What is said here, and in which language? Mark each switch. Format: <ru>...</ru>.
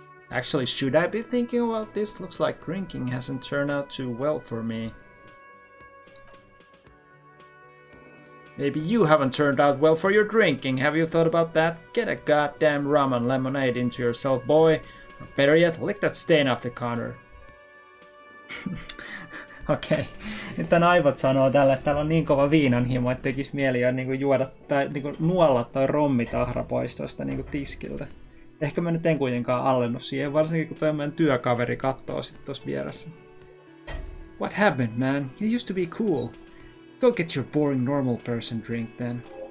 <en>Actually, should I be thinking about this? Looks like drinking hasn't turned out too well for me. Maybe you haven't turned out well for your drinking. Have you thought about that? Get a goddamn rum and lemonade into yourself, boy. Or better yet, lick that stain off the counter.</en> <fi>Okei.</fi> <en>Okay.</en> <fi>Nyt tämän aivot sanoo tällä, että täällä on niin kova viinanhimo, että tekisi mieli jo niin kuin juoda tai niin kuin nuolla toi rommitahra pois tuosta niin kuin tiskiltä. Ehkä mä nyt en kuitenkaan allennu siihen, varsinkin kun toi meidän työkaveri kattoo sit tossa vieressä.</fi> <en>What happened, man? You used to be cool. Go get your boring normal person drink then.</en>